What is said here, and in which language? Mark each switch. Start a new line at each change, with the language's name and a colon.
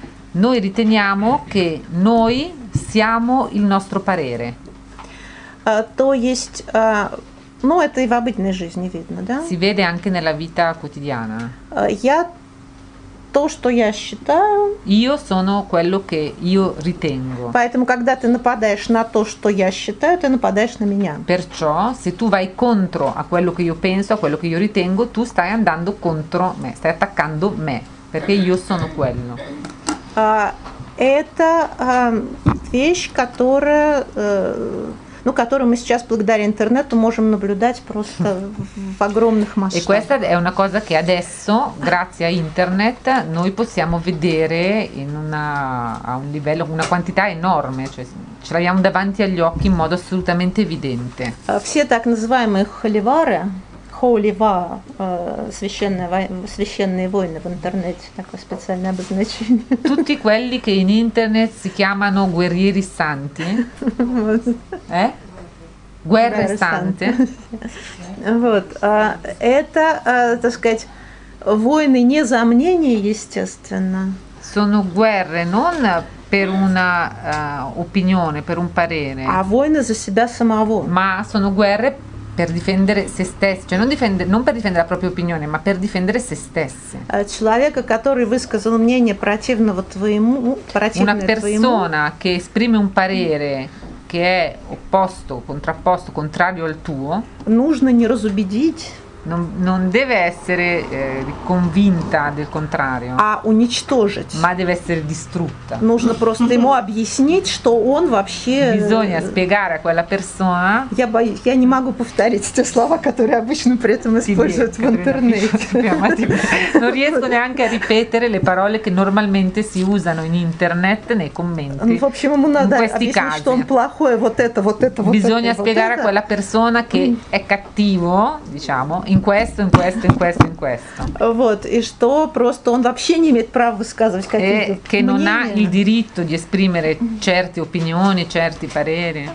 Italian: Noi riteniamo che noi siamo il nostro parere.
Russian: То есть, ну, это и в обычной жизни видно, да?
Italian: Si vede anche nella vita quotidiana.
Russian: Я то, что я считаю.
Italian: Io sono quello che io ritengo.
Russian: Поэтому, когда ты нападаешь на то, что я считаю, ты нападаешь на меня.
Italian: Perciò, se tu vai contro a quello che io penso, a quello che io ritengo, tu stai andando contro me, stai attaccando me. Perché io sono quello.
Russian: Это вещь, которая, ну, которую мы сейчас благодаря интернету можем наблюдать просто в огромных масштабах.
Italian: E questa è una cosa che adesso, grazie a internet, noi possiamo vedere in una, a un livello, una quantità enorme, cioè ce l'abbiamo davanti agli occhi in modo assolutamente evidente.
Russian: Все так называемые холивары, холива, священные войны в интернете, такое специальное обозначение.
Italian: Tutti quelli che in internet si chiamano guerrieri santi, guerre sante.
Russian: Вот, это, так сказать, войны не за мнение, естественно.
Italian: Sono guerre non per una opinione, per un parere.
Russian: А войны за себя самого.
Italian: Ma sono guerre per difendere se stessi, cioè non difende, non per difendere la propria opinione, ma per difendere se stesse.
Russian: Человека, который высказал мнение противного твоему,
Italian: Una persona che esprime un parere che è opposto, contrapposto, contrario al tuo.
Russian: Нужно не разубедить.
Italian: Non deve essere convinta del contrario.
Russian: А уничтожить.
Italian: Ma deve essere distrutta.
Russian: Нужно просто ему объяснить, что он вообще.
Italian: Bisogna spiegare a quella persona.
Russian: Я не могу повторить те слова, которые обычно при этом используют в интернете.
Italian: Non riesco neanche a ripetere le parole che normalmente si usano in internet nei commenti.
Russian: В общем, ему надо объяснить, что он плохой, вот это, вот это, вот.
Italian: Bisogna spiegare a quella persona che è cattivo, diciamo. In questo, in questo, in questo, in questo.
Russian: Вот, и что просто он вообще не имеет права высказывать какие-то мнения.
Italian: Che non ha il diritto di esprimere certe opinioni, certi pareri.